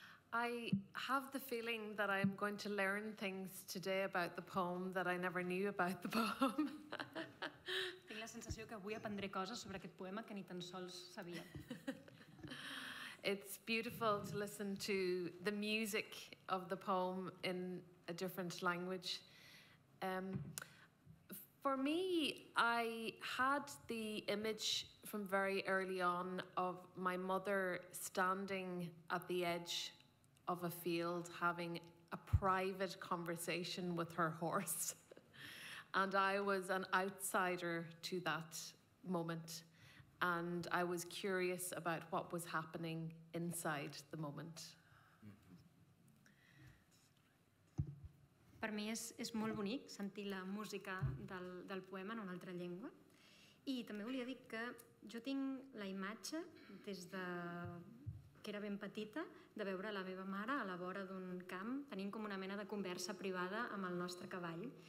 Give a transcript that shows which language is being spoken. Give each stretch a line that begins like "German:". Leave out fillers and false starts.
English: I have the feeling that I'm going to learn things today about the poem that I never knew about the poem.
Catalan: Tinc la sensació que avui aprendré coses sobre aquest poema que ni tan sols sabia.
English: It's beautiful to listen to the music of the poem in a different language. For me, I had the image from very early on of my mother standing at the edge of a field having a private conversation with her horse. And I was an outsider to that moment. And I was curious about what was happening inside the moment.
Catalan: Per mi és molt bonic sentir la música del poema en una altra llengua. I també volia dir que jo tinc la imatge, des de que era ben petita, de veure la meva mare a la vora d'un camp tenint com una mena de conversa privada amb el nostre cavall.